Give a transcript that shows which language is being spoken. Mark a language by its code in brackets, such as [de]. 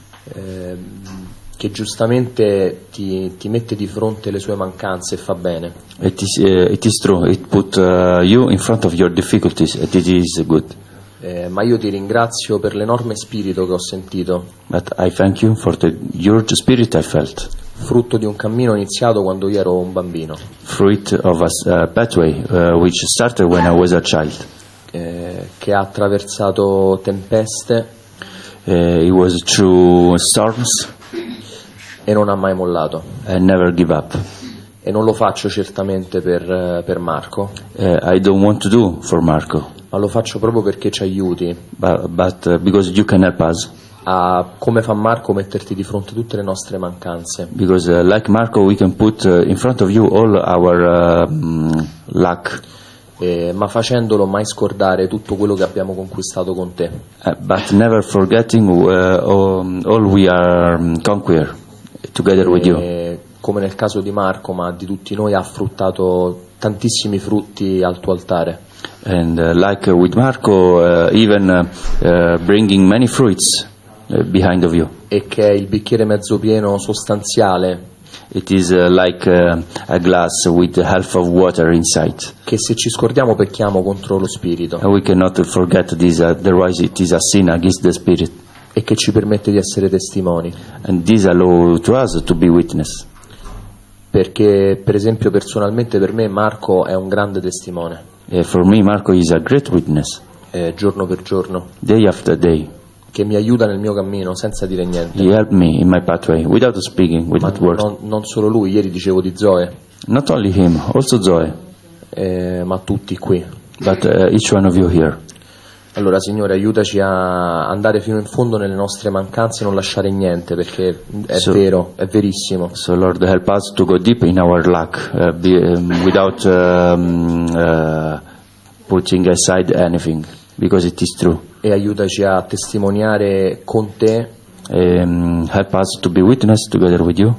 [it] Che giustamente ti mette di fronte le sue mancanze e fa bene. [en] It is true, it put you in front of your difficulties, and it is good. [it] Ma io ti ringrazio per l'enorme spirito che ho sentito. [en] But I thank you for the huge spirit I felt. [it] Frutto di un cammino iniziato quando io ero un bambino. [en] Fruit of a pathway which started when I was a child. [it] Che ha attraversato tempeste. [en] It was through storms. [it] E non ha mai mollato. [en] I never give up. [it] E non lo faccio certamente per Marco. [en] I don't want to do for Marco. [it] Ma lo faccio proprio perché ci aiuti. [en] But because you can help us. [it] A come fa Marco metterti di fronte tutte le nostre mancanze. [en] Because like Marco we can put in front of you all our luck. [it] Ma facendolo mai scordare tutto quello che abbiamo conquistato con te. [en] But never forgetting all we are conquered together with you. [it] Come nel caso di Marco, ma di tutti noi, ha fruttato tantissimi frutti al tuo altare. [en] And like with Marco, even bringing many fruits behind of you. [it] E che è il bicchiere mezzo pieno sostanziale. [en] It is like a glass with half of water inside. [it] Che se ci scordiamo pecchiamo contro lo spirito. [en] And we cannot forget this, otherwise it is a sin against the spirit. [it] E che ci permette di essere testimoni. [en] And this allows to us to be witness. [it] Perché, per esempio, personalmente per me Marco è un grande testimone. [en] For me Marco is a great witness. [it] Giorno per giorno. [en] Day after day. [it] Che mi aiuta nel mio cammino senza dire niente. [en] He helped me in my pathway without speaking, without words. [it] Non solo lui, ieri dicevo di Zoe. [en] Not only him, also Zoe. [it] Ma tutti qui. [en] But each one of you here. [it] Allora, Signore, aiutaci a andare fino in fondo nelle nostre mancanze e non lasciare niente, perché è so, vero, è verissimo. [en] So, Lord, help us to go deep in our luck, without putting aside anything, because it is true. [it] E aiutaci a testimoniare con te. [en] Help us to be witness together with you.